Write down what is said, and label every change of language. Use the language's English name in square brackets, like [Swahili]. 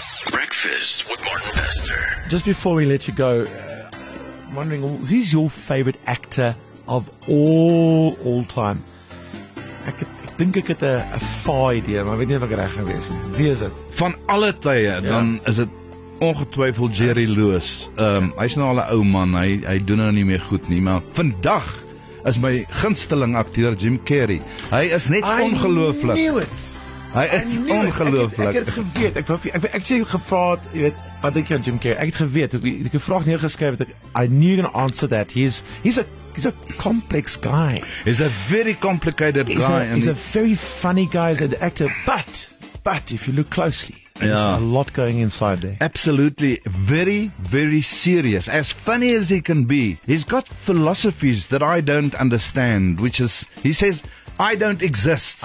[English] Breakfast with Martin Fester. Just before we let you go, I'm wondering, who's your favorite actor of all time? [Afrikaans] Ek dink ek het 'n faai idee, maar weet nie of ek reg gaan wees nie. Wie is dit? Van alle tye, ja. Dan is dit ongetwyfeld Jerry Lewis. Hy's nou al 'n ou man, hy doen nou nie meer goed nie, maar vandag is my gunsteling akteur Jim Carrey. Hy is net ongelooflik. Hy is ongelooflik. Ek het geweet, ek sê gevra, jy weet, wat dink jy van Jim Carrey? Ek het geweet, ek het 'n vraag neergeskryf, [English] I knew you're gonna answer that. He's a complex guy. He's a very complicated guy. He's a very funny guy as an actor, but if you look closely, there's a lot going inside there. Absolutely. Very, very serious. As funny as he can be, he's got philosophies that I don't understand, which is, he says, I don't exist.